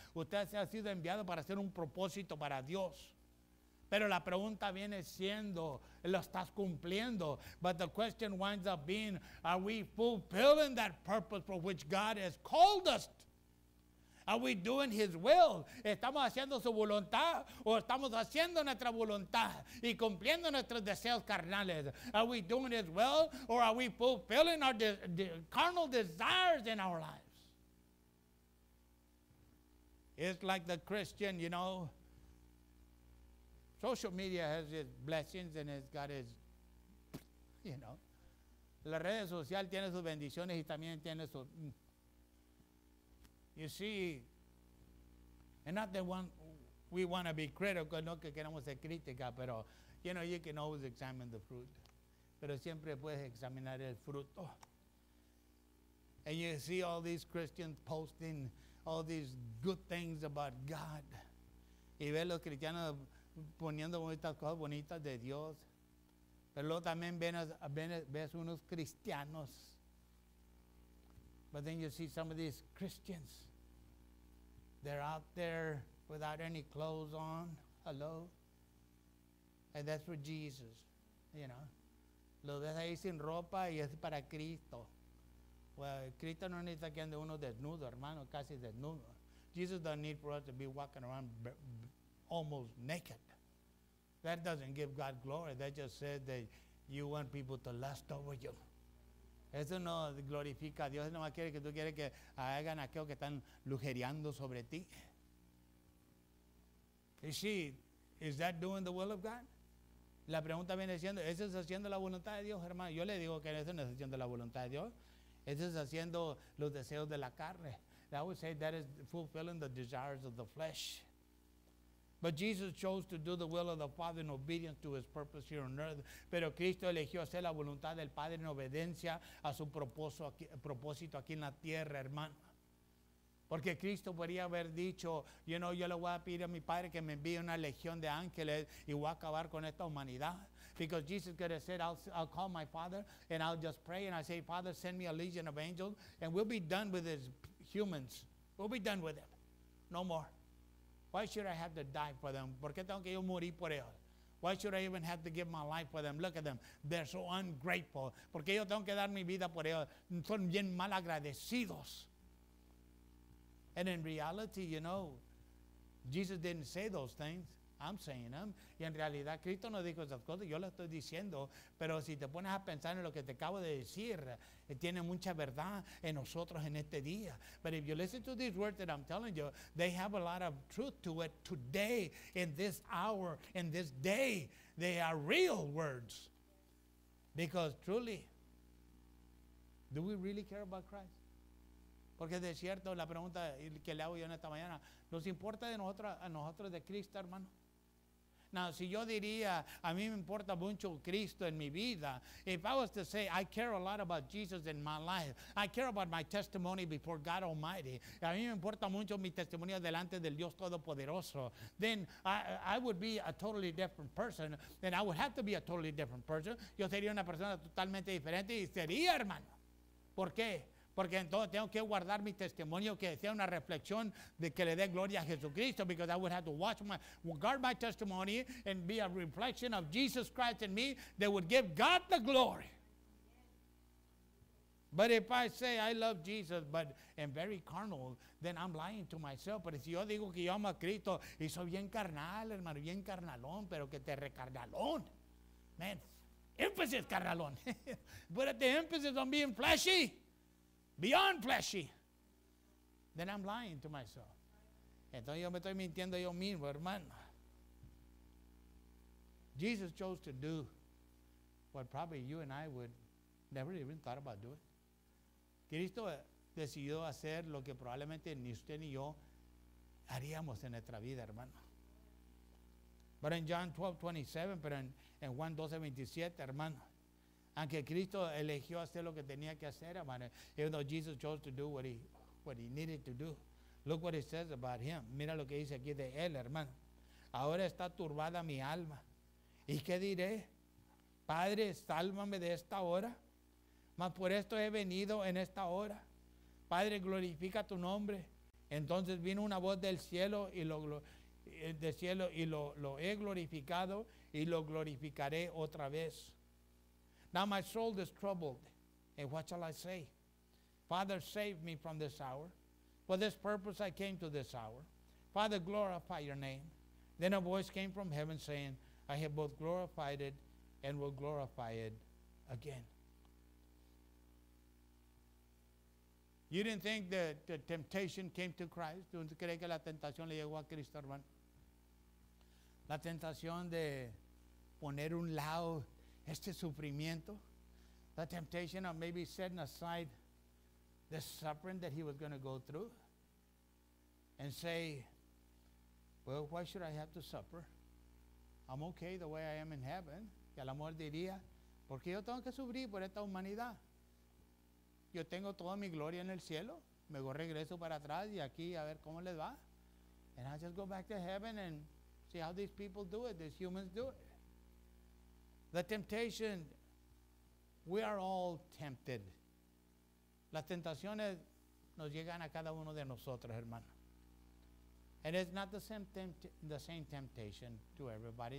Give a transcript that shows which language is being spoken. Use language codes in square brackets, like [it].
[es] Usted se ha sido enviado para hacer un propósito para Dios. Pero la pregunta viene siendo, ¿lo estás cumpliendo? [en] But the question winds up being, are we fulfilling that purpose for which God has called us? Are we doing his will? [es] ¿Estamos haciendo su voluntad? ¿O estamos haciendo nuestra voluntad y cumpliendo nuestros deseos carnales? [en] Are we doing his will? Or are we fulfilling our carnal desires in our lives? It's like the Christian, you know, social media has its blessings and it's got its, you know. [es] La red social tiene sus bendiciones y también tiene sus... [en] You see, and not that one, we want to be critical, [es] no que queremos ser crítica, pero, [en] you know, you can always examine the fruit. [es] Pero siempre puedes examinar el fruto. [en] And you see all these Christians posting all these good things about God. [es] Y ve los cristianos poniendo estas cosas bonitas de Dios. Pero luego también ves unos cristianos. [en] But then you see some of these Christians. They're out there without any clothes on. Hello. And that's for Jesus, you know. [es] Lo ves ahí sin ropa y es para Cristo. Well, Cristo no necesita que ande uno desnudo, hermano, casi desnudo. [en] Jesus doesn't need for us to be walking around almost naked. That doesn't give God glory. That just says that you want people to lust over you. [es] Eso no glorifica a Dios. Él no más quiere que tú quieres que hagan aquello que están lujereando sobre ti. [en] Is that doing the will of God? [es] La pregunta viene siendo, ¿eso es haciendo la voluntad de Dios, hermano? Yo le digo que eso no es haciendo la voluntad de Dios. Eso es haciendo los deseos de la carne. [en] I would say that is fulfilling the desires of the flesh. But Jesus chose to do the will of the Father in obedience to his purpose here on earth. [es] Pero Cristo eligió hacer la voluntad del Padre en obediencia a su propósito aquí en la tierra, hermano. Porque Cristo podría haber dicho, you know, yo le voy a pedir a mi Padre que me envíe una legión de ángeles y voy a acabar con esta humanidad. [en] Because Jesus could have said, I'll call my Father and I'll just pray and I say, Father, send me a legion of angels and we'll be done with these humans. We'll be done with them. No more. Why should I have to die for them? [es] ¿Por qué tengo que yo morir por ellos? [en] Why should I even have to give my life for them? Look at them. They're so ungrateful. [es] ¿Por qué yo tengo que dar mi vida por ellos? Son bien mal agradecidos. [en] And in reality, you know, Jesus didn't say those things. I'm saying them. [es] Y en realidad, Cristo no dijo esas cosas. Yo lo estoy diciendo. Pero si te pones a pensar en lo que te acabo de decir, tiene mucha verdad en nosotros en este día. [en] But if you listen to these words that I'm telling you, they have a lot of truth to it today, in this hour, in this day. They are real words. Because truly, do we really care about Christ? [es] Porque de cierto, la pregunta que le hago yo en esta mañana, ¿nos importa de nosotros, a nosotros de Cristo, hermano? [en] Now, [es] si yo diría, a mí me importa mucho Cristo en mi vida, [en] if I was to say, I care a lot about Jesus in my life, I care about my testimony before God Almighty, [es] a mí me importa mucho mi testimonio delante del Dios Todopoderoso, [en] then I would be a totally different person, then I would have to be a totally different person. [es] Yo sería una persona totalmente diferente y sería, hermano. ¿Por qué? Porque entonces tengo que guardar mi testimonio que sea una reflexión de que le dé gloria a Jesucristo. [en] Because I would have to guard my testimony and be a reflection of Jesus Christ in me that would give God the glory. But if I say I love Jesus but am very carnal, then I'm lying to myself. [es] Pero si yo digo que yo amo a Cristo y soy bien carnal, hermano, bien carnalón, pero que te recarnalón. [en] Man, emphasis carnalón. But at the emphasis on being fleshy, beyond fleshy, then I'm lying to myself. [es] Entonces yo me estoy mintiendo yo mismo, hermano. [en] Jesus chose to do what probably you and I would never even thought about doing. [es] Cristo decidió hacer lo que probablemente ni usted ni yo haríamos en nuestra vida, hermano. [en] But in John 12:27, [es] pero en Juan 12:27, hermano, aunque Cristo eligió hacer lo que tenía que hacer, hermano, [en] even though Jesus chose to do what he needed to do, look what it says about him. [es] Mira lo que dice aquí de él, hermano. Ahora está turbada mi alma. ¿Y qué diré? Padre, sálvame de esta hora. Mas por esto he venido en esta hora. Padre, glorifica tu nombre. Entonces vino una voz del cielo y lo he glorificado y lo glorificaré otra vez. [en] Now my soul is troubled, and what shall I say? Father, save me from this hour. For this purpose I came to this hour. Father, glorify your name. Then a voice came from heaven saying, I have both glorified it and will glorify it again. You didn't think that the temptation came to Christ? [es] ¿Tú crees que la tentación le llegó a Cristo, hermano? La tentación de poner un lado este sufrimiento, [en] the temptation of maybe setting aside the suffering that he was going to go through and say, well, why should I have to suffer? I'm okay the way I am in heaven. [es] Y a lo mejor diría, ¿por qué yo tengo que sufrir por esta humanidad? Yo tengo toda mi gloria en el cielo. Me voy regreso para atrás y aquí a ver cómo les va. [en] And I just go back to heaven and see how these people do it, these humans do it. The temptation, we are all tempted. [es] Las tentaciones nos llegan a cada uno de nosotros, hermano. [en] And it's not the same temptation to everybody.